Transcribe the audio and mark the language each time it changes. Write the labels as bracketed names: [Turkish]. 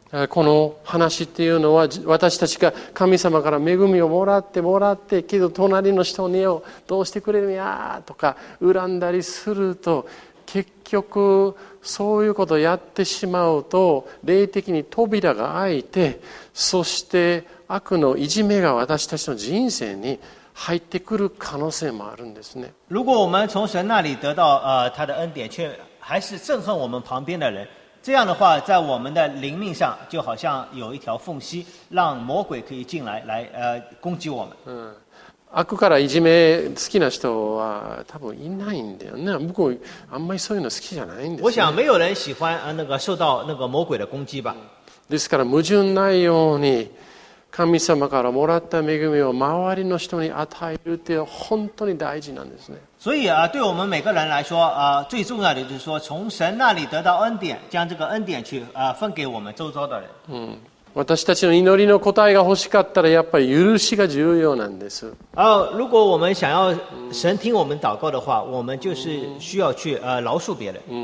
[Japanese] この話っていうのは、私たちが神様から恵みをもらってけど、隣の人にどうしてくれるんやとか恨んだりすると、結局そういうことをやってしまうと霊的に扉が開いて、そして悪のいじめが私たちの人生に入ってくる可能性もあるんですね。 [Chinese] 如果我们从神那里得到他的恩典，却还是憎恨我们旁边的人，这样的话，在我们的灵命上就好像有一条缝隙，让魔鬼可以进来，来攻击我们。 [Japanese] 悪からいじめ好きな人は多分いないんだよね。僕あんまりそういうの好きじゃないんです。 [Chinese] 我想没有人喜欢受到那个魔鬼的攻击吧。 [Japanese] ですから矛盾ないように、神様からもらった恵みを周りの人に与えるって本当に大事なんですね。 [Chinese] 所以啊，对我们每个人来说，啊，最重要的就是说，从神那里得到恩典，将这个恩典去啊分给我们周遭的人。 [Japanese] 嗯，私たちの祈りの答えが欲しかったら、やっぱり許しが重要なんです。 [Chinese] 啊，如果我们想要神听我们祷告的话，我们就是需要去啊饶恕别人。